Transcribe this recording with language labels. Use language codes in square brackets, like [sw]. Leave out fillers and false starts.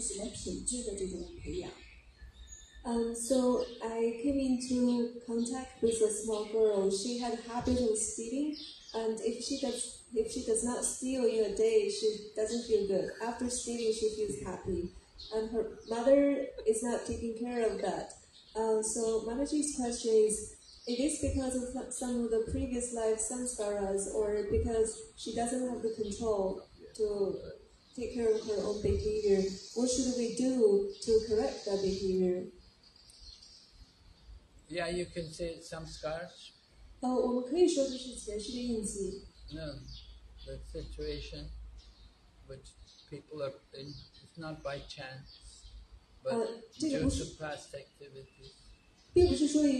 [zh] 嗯，他的妈妈好像在这方面对他并没有特别的一个关注教育，然后我就想问，像这样的孩子，他是前世带来的这种业报的反应呢，还是说他就是没有这种控制能力？那我们如何对这样的孩子进行这种自我控制的这种训练，还是什么品质的这种培养？ [en] So I came into contact with a small girl. She had a habit of stealing. And if she does not steal in a day, she doesn't feel good. After stealing, she feels happy. And her mother is not taking care of that. So Mataji's question is, it is because of some of the previous life samskaras, or because she doesn't have the control to take care of her own behavior? What should we do to correct that behavior? Yeah, you can say it's samskaras. [zh] 我们可以说这是前世的印记。 [en] No, the situation which people are in is not by chance, but due to past activities.